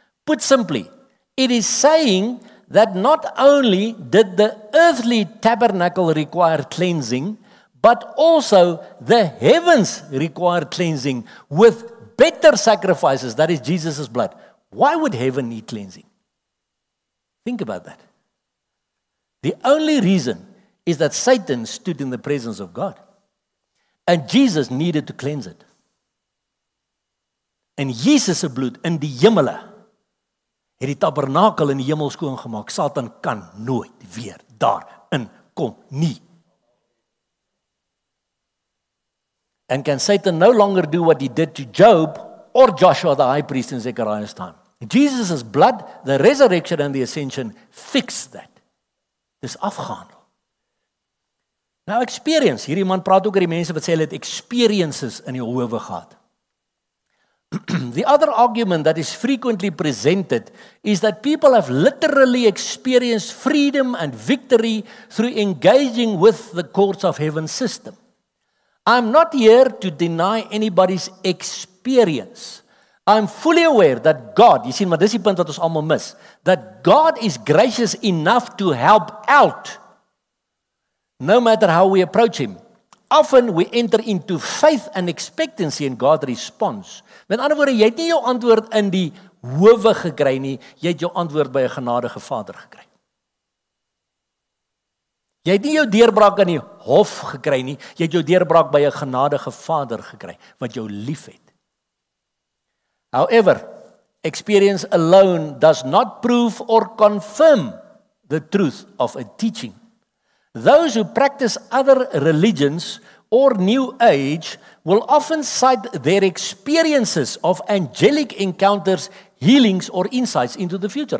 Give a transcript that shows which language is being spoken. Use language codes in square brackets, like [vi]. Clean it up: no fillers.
[en] Put simply, it is saying that not only did the earthly tabernacle require cleansing, but also the heavens require cleansing with better sacrifices, that is Jesus' blood. Why would heaven need cleansing? Think about that. The only reason is that Satan stood in the presence of God, and Jesus needed to cleanse it. [af] En Jesus' bloed in die hemele het die tabernakel in die hemel skoon gemaak. Satan kan nooit weer daarin kom nie. [en] And can Satan no longer do what he did to Job or Joshua the high priest in Zechariah's time? Jesus' blood, the resurrection and the ascension fixed that. [af] Dis afgehandel. Nou experience, hierdie man praat ook oor die mense wat sê hulle het experiences in die howe gehad. [en] The other argument that is frequently presented is that people have literally experienced freedom and victory through engaging with the courts of heaven system. I'm not here to deny anybody's experience. I'm fully aware that God, you see, [af] maar dis die punt wat ons almal mis, [en] that God is gracious enough to help out. No matter how we approach him, often we enter into faith and expectancy in God's response. [af] Met ander woorde, jy het nie jou antwoord in die howe gekry nie, jy het jou antwoord by 'n genadige Vader gekry. Jy het nie jou deurbraak in die hof gekry nie, jy het jou deurbraak by 'n genadige Vader gekry wat jou liefhet. [en] However, experience alone does not prove or confirm the truth of a teaching. Those who practice other religions or New Age will often cite their experiences of angelic encounters, healings or insights into the future.